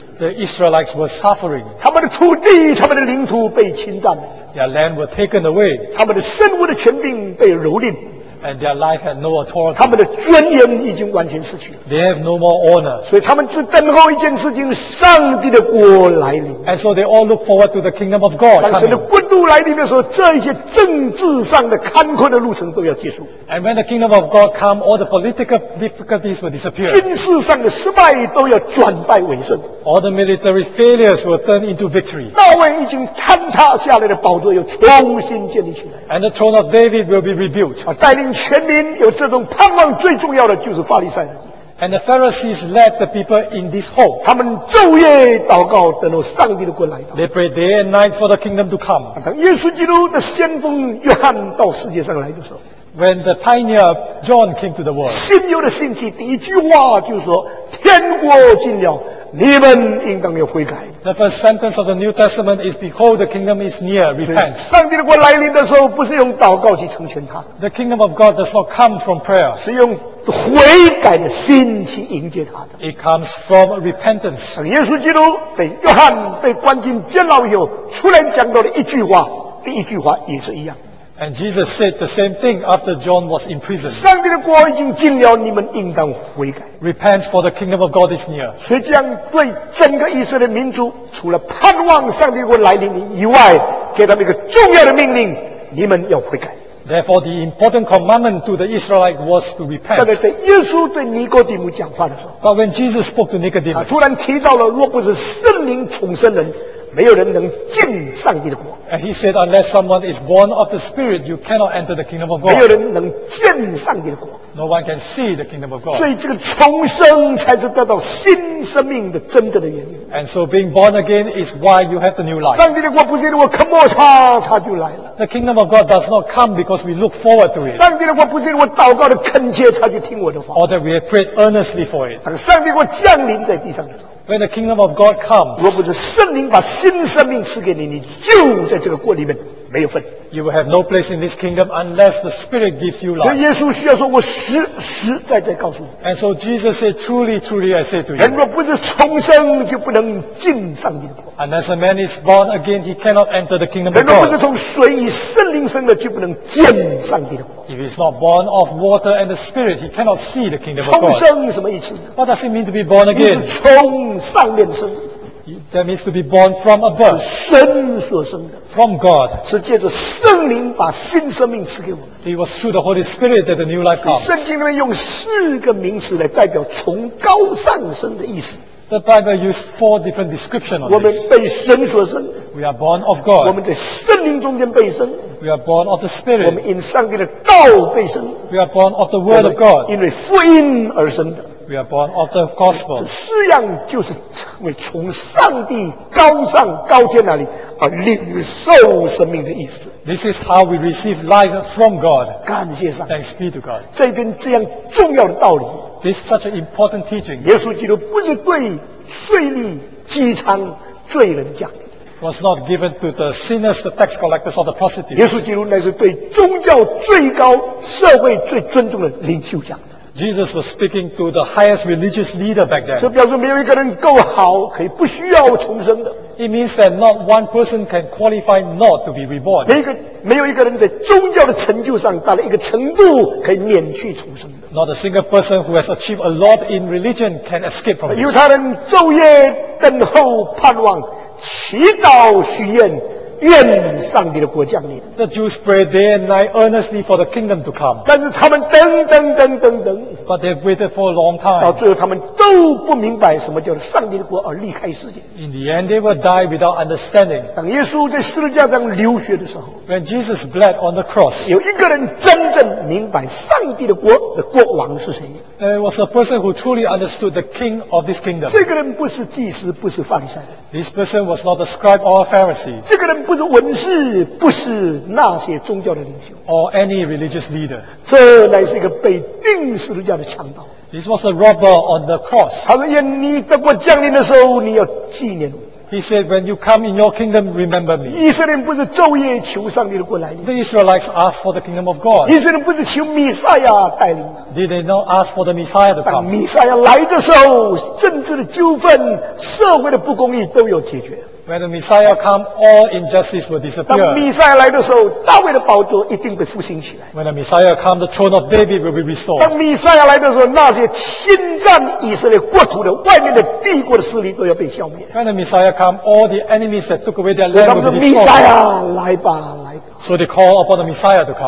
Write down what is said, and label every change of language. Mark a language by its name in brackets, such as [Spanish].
[English] The Israelites were suffering [Chinese] 他们的土地他们的领土被侵占了 [English] Their land were taken away. [Chinese] 他们的生物的权柄被蹂躏 [English] And their life had no authority. [Chinese] 他们的尊严已经完全失去了 [English] They have no more honor. [Chinese] 所以他们只等候一件事情，上帝的国来临 [English] And so they all look forward to the kingdom of God. [Chinese] 当神的国度来临的时候，这些政治上的坎坷的路程都要结束 [English] And when the kingdom of God come, all the political difficulties will disappear. [Chinese] 军事上的失败都要转败为胜。 [English] All the military failures were turned into victory. [Chinese] 大卫已经坍塌下来的宝座又重新建立起来。 [English] And the throne of David will be rebuilt. [Chinese] 带领全民有这种盼望，最重要的就是法利赛人。 [English] And the Pharisees led the people in this hope. [Chinese] 他们昼夜祷告，等候上帝的国来到。 [English] They pray day and night for the kingdom to come. [Chinese] 当耶稣基督的先锋约翰到世界上来的时候。 [English] When the pioneer John came to the world. [Chinese] 新约的信息第一句话就是说，天国近了。你们应当要悔改。 [English] The first sentence of the New Testament is, "Behold, the kingdom is near. Repent." [Chinese] 上帝的国来临的时候，不是用祷告去成全他。 [English] The kingdom of God does not come from prayer. [Chinese] 是用悔改的心去迎接他的。 [English] It comes from repentance. [Chinese] 当耶稣基督被约翰被关进监牢以后，出来讲到的一句话，第一句话也是一样。 [English] And Jesus said the same thing after John was imprisoned. [Chinese] 上帝的国已经近了，你们应当悔改。 [English] Repent, for the kingdom of God is near. [Chinese] 所以这样对整个以色列民族，除了盼望上帝国来临以外，给他们一个重要的命令：你们要悔改。 [English] Therefore, the important commandment to the Israelites was to repent. [Chinese] 但是在耶稣对尼哥底母讲话的时候 [English] ，But when Jesus spoke to Nicodemus, [Chinese] 突然提到了，若不是圣灵重生人。没有人能进上帝的国。 [English] And he said, unless someone is born of the Spirit, you cannot enter the kingdom of God. [Chinese] 没有人能见上帝的国。 [English] No one can see the kingdom of God. [Chinese] 所以这个重生才是得到新生命的真正的原因。 [English] And so being born again is why you have the new life. [Chinese] 上帝的国不是因为我渴慕他，他就来了。 [English] The kingdom of God does not come because we look forward to it. [Chinese] 上帝的国不是因为我祷告的恳切，他就听我的话。 [English] Or that we have prayed earnestly for it. [Chinese] 当上帝的国降临在地上的时候。 [English] When the kingdom of God comes, [Chinese] 若不是圣灵把新生命赐给你，你就在这个国里面没有份。 [English] You will have no place in this kingdom unless the Spirit gives you life. [Chinese] 所以耶稣需要说，我实实在在告诉你。 [English] And so Jesus said, truly, truly, I say to you, [Chinese] 人若不是重生，就不能进上帝的国。 [English] Unless a man is born again, he cannot enter the kingdom of God. [Chinese] 人若不是从水与圣灵生的，就不能见上帝的国。 [English] If he is not born of water and the Spirit, he cannot see the kingdom of God. [Chinese] 重生什么意思？ [English] What does it mean to be born again? [Chinese] 是从上面生。 [English] That means to be born from above. [Chinese] 是神所生的。 [English] From God. [Chinese] 是借着圣灵把新生命赐给我们。 [English] It was through the Holy Spirit that the new life comes. [Chinese] 圣经里面用四个名词来代表从高上升的意思。 [English] The Bible used four different descriptions of this. [Chinese] 我们被神所生。 [English] We are born of God. [Chinese] 我们在圣灵中间被生。 [English] We are born of the Spirit. [Chinese] 我们因上帝的道被生。 [English] We are born of the Word of God. [Chinese] 因为福音而生的。 [English] We are born of the gospel. [Chinese] 这四样就是成为从上帝高上高天那里而领受生命的意思。 [English] This is how we receive life from God. [Chinese] 感谢上帝。 [English] Thanks be to God. [Chinese] 这边这样重要的道理。 [English] This is such an important teaching. [Chinese] 耶稣基督不是对税吏、饥餐、罪人讲的。 [English] Was not given to the sinners, the tax collectors, or the prostitutes. [Chinese] 耶稣基督乃是对宗教最高、社会最尊重的领袖讲的。 [English] Jesus was speaking to the highest religious leader back then. [Chinese] 这表示没有一个人够好，可以不需要重生的。 [English] It means that not one person can qualify not to be reborn. [Chinese] 没有一个人在宗教的成就上达到一个程度，可以免去重生的。 [English] Not a single person who has achieved a lot in religion can escape from this. [Chinese] 犹太人昼夜等候盼望，祈祷许愿。愿上帝的国降临。 [English] The Jews prayed day and night earnestly for the kingdom to come. [Chinese] 但是他们等等等等等。 [English] But they waited for a long time. [Chinese] 到最后他们都不明白什么叫上帝的国而离开世界。 [English] In the end, they will die without understanding. [Chinese] 当耶稣在十字架上流血的时候 [English] ，When Jesus bled on the cross, [Chinese] 有一个人真正明白上帝的国的国王是谁。 [English] There was a person who truly understood the king of this kingdom. [Chinese] 这个人不是祭司，不是法利赛。 [English] This person was not a scribe or a Pharisee. [Chinese] 这个人不是文士，不是那些宗教的领袖。 [English] Or any religious leader. [Chinese] 这乃是一个被钉十字架的强盗。 [English] This was a robber on the cross. [Chinese] 他说：“你德国降临的时候，你要纪念我。” [English] He said, "When you come in your kingdom, remember me." [Chinese] 以色列不是昼夜求上帝的国来临。 [English] The Israelites asked for the kingdom of God. [Chinese] 以色列不是求弥赛亚带领。 [English] Did they not ask for the Messiah to come? [Chinese] 当弥赛亚来的时候，政治的纠纷、社会的不公义都有解决。 [English] When the Messiah come, all injustice will disappear. [Chinese] 当弥赛亚来的时候，大卫的宝座一定被复兴起来。 [English] When the Messiah come, the throne of David will be restored. [Chinese] 当弥赛亚来的时候，那些侵占以色列国土的外面的帝国的势力都要被消灭。 [English] When the Messiah come, all the enemies that took away their land will be restored. [Chinese] 弥赛亚来吧，来吧。 [English] So they call upon the Messiah to come.